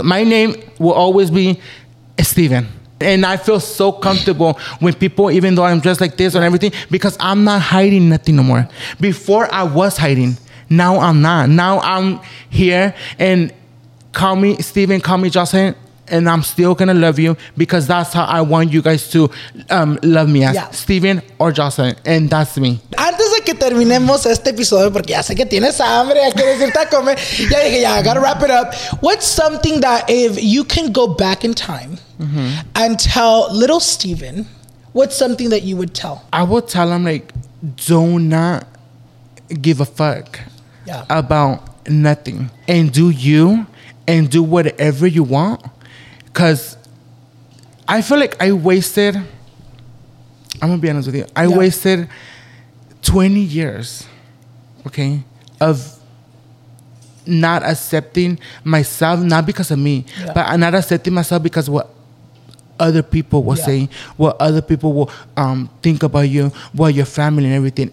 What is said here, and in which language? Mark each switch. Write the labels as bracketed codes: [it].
[en] My name will always be Steven. And I feel so comfortable when people, even though I'm dressed like this and everything, because I'm not hiding nothing no more. Before I was hiding, now I'm not. Now I'm here, and call me Steven, call me Justin, and I'm still gonna love you, because that's how I want you guys to love me as Steven or Justin, and that's me. [es] Que terminemos este episodio, porque ya sé que tienes hambre, ya quieres irte a comer. Ya dije, ya, [en] I gotta wrap it up. What's something that if you can go back in time and tell little Steven, what's something that you would tell? I would tell him, like, do not give a fuck about nothing. And do you, and do whatever you want. Because I feel like I wasted, I'm going to be honest with you, I wasted 20 years, okay, of not accepting myself, not because of me, but not accepting myself because what other people were saying, what other people will think about you, what your family and everything.